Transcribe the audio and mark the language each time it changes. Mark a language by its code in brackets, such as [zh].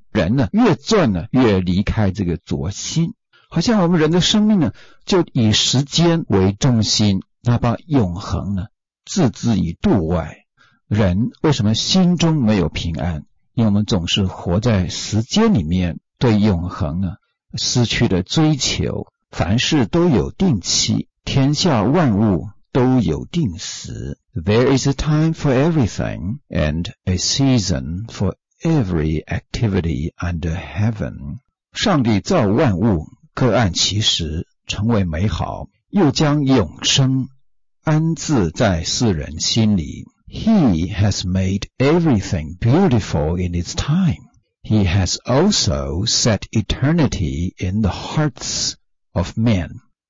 [zh] 人呢越转呢越离开这个轴心，好像我们人的生命呢就以时间为中心，那把永恒呢置之于度外。人为什么心中没有平安？因为我们总是活在时间里面，对永恒呢失去了追求。凡事都有定期，天下万物都有定时。 [en] There is a time for everything and a season for every activity under heaven. [zh] 上帝造万物，各按其时，成为美好，又将永生安置在世人心里。 [en] He has made everything beautiful in its time. He has also set eternity in the hearts of men.